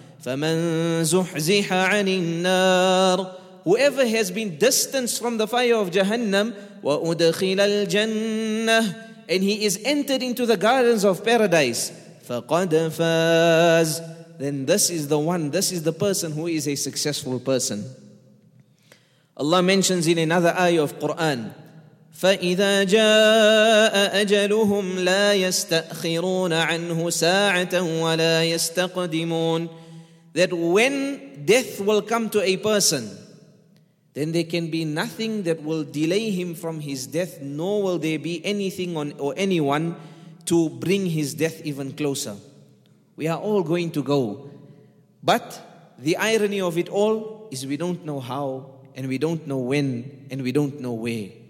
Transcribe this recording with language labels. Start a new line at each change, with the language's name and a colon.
Arabic: فَمَنْ زُحْزِحَ عَنِ النَّارِ,
English: whoever has been distanced from the fire of Jahannam,
Arabic: وَأُدْخِلَ الْجَنَّةِ,
English: and he is entered into the gardens of paradise,
Arabic: فَقَدْ فَازْ,
English: then this is the one, this is the person who is a successful person. Allah mentions in another ayah of Quran,
Arabic: فإذا جاء أجلهم لا يستأخرون عنه ساعة ولا يستقدمون.
English: That when death will come to a person, then there can be nothing that will delay him from his death, nor will there be anything on or anyone to bring his death even closer. We are all going to go. But the irony of it all is we don't know how, and we don't know when, and we don't know where.